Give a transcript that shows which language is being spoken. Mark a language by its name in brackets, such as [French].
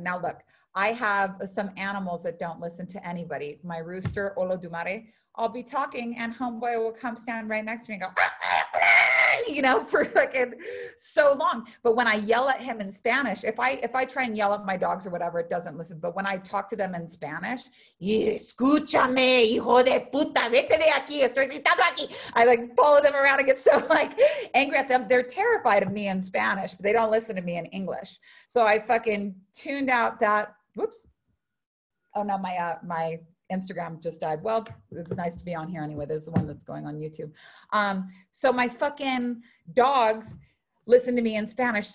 [English] Now look, I have some animals that don't listen to anybody. My rooster, Olo Dumare, I'll be talking and homeboy will come stand right next to me and go, you know, for like so long. But when I yell at him in Spanish, if I try and yell at my dogs or whatever, it doesn't listen. But when I talk to them in Spanish, [Spanish] escúchame, hijo de puta, vete de aquí, estoy gritando aquí. [English] I like follow them around and get so like angry at them. They're terrified of me in Spanish, but they don't listen to me in English. So I fucking tuned out that, whoops. Oh no, my Instagram just died. Well, it's nice to be on here anyway. This is the one that's going on YouTube. So my fucking dogs listen to me in Spanish.